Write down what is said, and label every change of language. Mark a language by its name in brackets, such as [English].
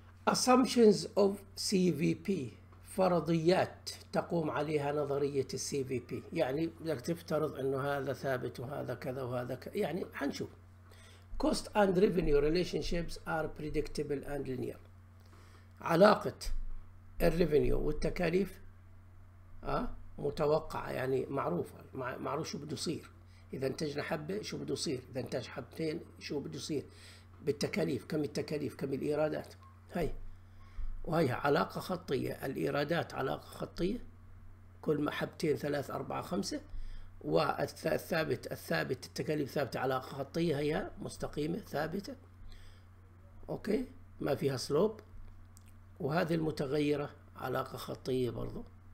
[English] Assumptions of CVP [Arabic] فرضيات تقوم عليها نظرية CVP، يعني بدك تفترض انه هذا ثابت وهذا كذا وهذا كذا. يعني حنشوف [English] cost and revenue relationships are predictable and linear. [Arabic] علاقة الريفينيو والتكاليف متوقعة يعني معروفة، معروف شو بده يصير اذا انتجنا حبة شو بده يصير، اذا انتج حبتين شو بده يصير بالتكاليف، كم التكاليف كم الايرادات. هاي وهي علاقة خطية، الإيرادات علاقة خطية، كل ما حبتين ثلاث أربعة خمسة، والثابت الثابت التكاليف ثابتة علاقة خطية، هي مستقيمة ثابتة أوكي ما فيها سلوب، وهذه المتغيرة علاقة خطية برضو.